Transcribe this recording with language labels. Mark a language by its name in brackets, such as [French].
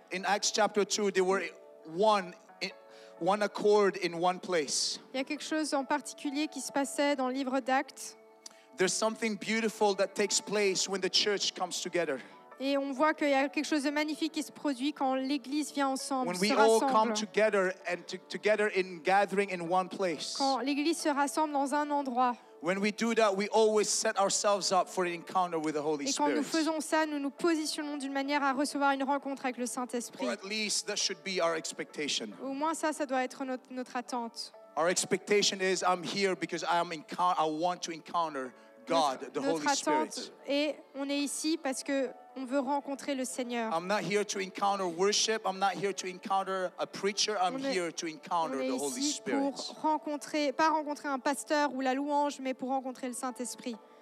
[English] In Acts chapter 2, they were one accord in one place. [French] Il y a quelque chose en particulier qui se passait dans le livre d'Actes. [English] There's something beautiful that takes place when the church comes together. [French] Et on voit qu'il y a quelque chose de magnifique qui se produit quand l'Église vient ensemble, [English] when [French] se rassemble. [English] Come together and together in gathering in one place. [French] Quand l'Église se rassemble dans un endroit. [English] When we do that, we always set ourselves up for an encounter with the Holy Spirit. [French] Et quand nous faisons ça, nous nous positionnons d'une manière à recevoir une rencontre avec le Saint-Esprit. [English] Or at least that should be our expectation. [French] Au moins ça doit être notre attente. [English] Our expectation is I'm here because I want to encounter God, the Holy Spirit. [French] Notre attente est on est ici parce que on veut rencontrer le Seigneur. [English] I'm not here to encounter worship. I'm not here to encounter a preacher. I'm here to encounter the Holy Spirit. [French] On est ici pour rencontrer, pas rencontrer un pasteur ou la louange, mais pour rencontrer le Saint-Esprit.